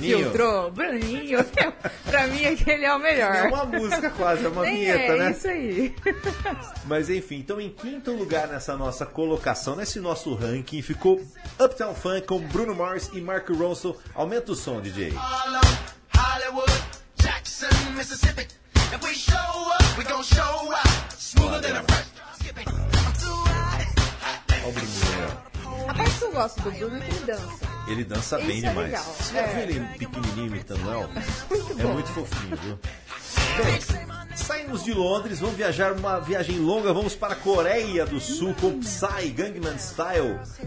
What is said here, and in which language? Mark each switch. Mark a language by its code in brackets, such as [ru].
[pt] Se infiltrou. Bruninho! Pra mim, aquele é o melhor. É uma música quase, é uma vinheta, né? É isso aí. Mas enfim, então em quinto lugar nessa nossa colocação, nesse nosso ranking, ficou Uptown Funk com Bruno Mars e Mark Ronson. Aumenta o som, DJ. Hollywood, Jackson, Mississippi. [en] If we show up, we gon' show up. Smoother than a fresh drop. I'm too hot. [pt] A parte que eu gosto do Bruno é que ele dança. Ele dança bem isso demais. É legal. Você já viu ele pequenininho imitando o Elvis? Muito bom. É muito fofinho, viu? Então, saímos de Londres, vamos viajar uma viagem longa, vamos para a Coreia do Sul com Psy, Gangnam Style.